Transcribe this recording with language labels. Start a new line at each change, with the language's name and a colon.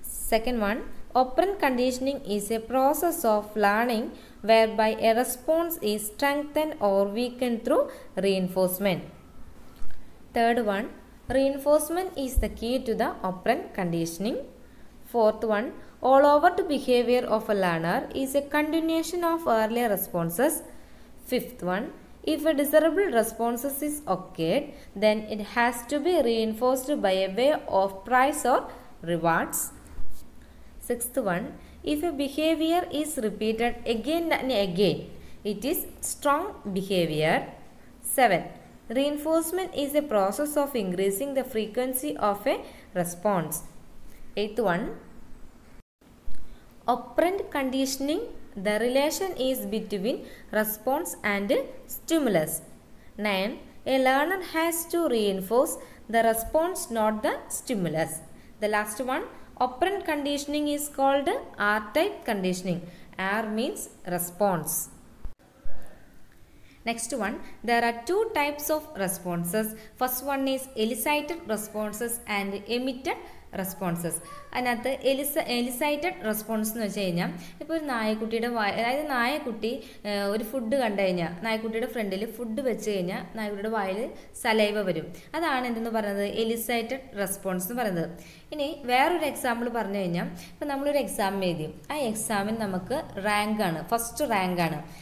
English: Second one, operant conditioning is a process of learning whereby a response is strengthened or weaken through reinforcement. Third one, reinforcement is the key to the operant conditioning. Fourth one, all over to behaviour of a learner is a continuation of earlier responses. Fifth one, if a desirable response is occurred then it has to be reinforced by a way of prize or rewards. Sixth one, if a behavior is repeated again and again it is strong behavior. Seventh, reinforcement is a process of increasing the frequency of a response. Eighth one, operant conditioning, the relation is between response and stimulus. 9. A learner has to reinforce the response, not the stimulus. The last one, operant conditioning is called R-type conditioning. R means response. Next one, there are two types of responses. First one is elicited responses and emitted responses.
Malayalam: അതിനകത്ത് എലിസൈറ്റഡ് response എന്ന് വെച്ച് കഴിഞ്ഞാൽ, ഇപ്പോൾ ഒരു നായക്കുട്ടിയുടെ അതായത് നായക്കുട്ടി ഒരു food കണ്ടുകഴിഞ്ഞാൽ, നായക്കുട്ടിയുടെ ഫ്രണ്ടിൽ ഫുഡ് വെച്ച് കഴിഞ്ഞാൽ നായക്കുട്ടിയുടെ വായിൽ സലൈവ വരും. അതാണ് എന്തെന്ന് പറയുന്നത്, എലിസൈറ്റഡ് റെസ്പോൺസ് എന്ന് പറയുന്നത്. ഇനി വേറൊരു എക്സാമ്പിൾ പറഞ്ഞു കഴിഞ്ഞാൽ, ഇപ്പം നമ്മളൊരു എക്സാം എഴുതി, ആ എക്സാമിൽ നമുക്ക് റാങ്കാണ്, ഫസ്റ്റ് റാങ്കാണ്.